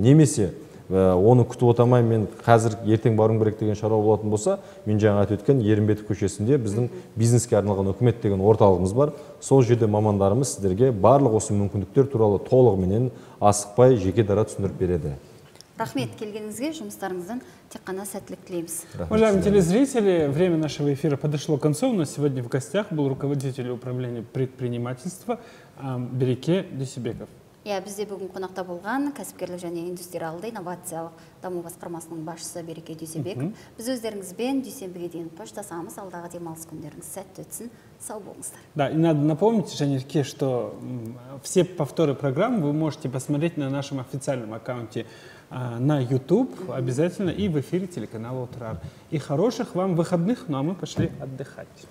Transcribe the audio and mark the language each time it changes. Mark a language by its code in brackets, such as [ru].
[kk] Немесе оны күтіп отырмай, мен қазір ертең баруым керек деген шаруа болатын болса, мен жаңа айтып өткен Ерімбетов көшесінде біздің бизнеске арналған үкімет деген орталығымыз бар. Сол жерде мамандарымыз сіздерге барлық осы мүмкіндіктер туралы толығыменен асықпай жеке дара түсіндіріп береді. Рахмет келгеніңізге, жұмыстарыңыздың тек қана сәттілік тілейміз. [ru] Уважаемые телезрители, время нашего эфира подошло к концу. У нас сегодня в гостях был руководитель управления предпринимательства Береке Дюсебеков. [kk] Я бізде бүгін қонақта болған кәсіпкерлік және индустриалды инновациялық даму басқармасының басшысы Береке Дүйсенбек. Біз өздеріңізбен дүйсенбіге дейін қоштасамыз. Алдағы демалыс күндеріңіз сәтті өтсін. Сау болыңыздар. [ru] Да, и надо напомнить, Жанерке, что все повторы программы вы можете посмотреть на нашем официальном аккаунте на YouTube обязательно и в эфире телеканала «Утрар». И хороших вам выходных, ну а мы пошли отдыхать.